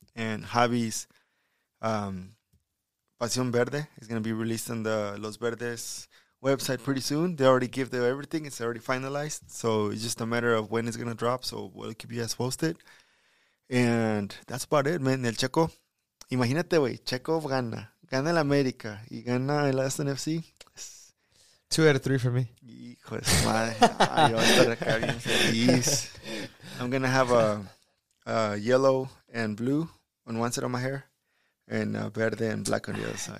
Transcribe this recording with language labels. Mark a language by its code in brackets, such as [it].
[en] And Javi's Pasión Verde is going to be released on the Los Verdes website pretty soon. They already give them everything. It's already finalized. So it's just a matter of when it's going to drop, so we'll keep you guys posted. And that's about it, man. [es] El Checo, imagínate, güey, Checo gana. Gana el América y gana el Aston FC. [en] 2 out of 3 for me. I'm going to have a yellow and blue on one side of my hair, and a verde and black on the other side.